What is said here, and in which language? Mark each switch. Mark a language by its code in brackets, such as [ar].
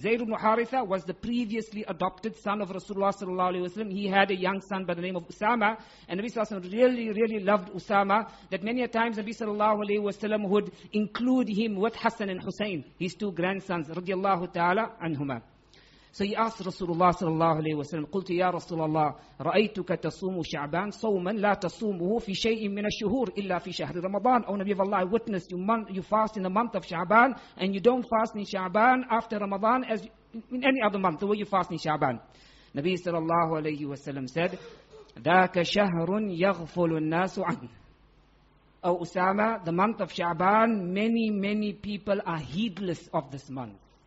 [en] Zayd ibn Haritha was the previously adopted son of Rasulullah sallallahu alayhi wa sallam. He had a young son by the name of Usama, and Nabi sallallahu alayhi wa sallam really, really loved Usama, that many a times Nabi sallallahu alayhi wa sallam would include him with Hassan and Hussein, his two grandsons, radiallahu ta'ala anhuma. So he asked Rasulullah sallallahu alayhi wa sallam, [ar] قلت يا رسول الله رأيتك تصوم شعبان صوما لا تصومه في شيء من الشهور إلا في شهر رمضان. [en] Oh Nabi of Allah, I witnessed you fast in the month of Sha'ban, and you don't fast in Sha'ban after Ramadan as in any other month, the way you fast in Sha'ban. Nabi sallallahu alayhi wa sallam said, [ar] ذاك شهر يغفل الناس عنه. [en] Oh Usama, the month of Sha'ban, many, many people are heedless of this month.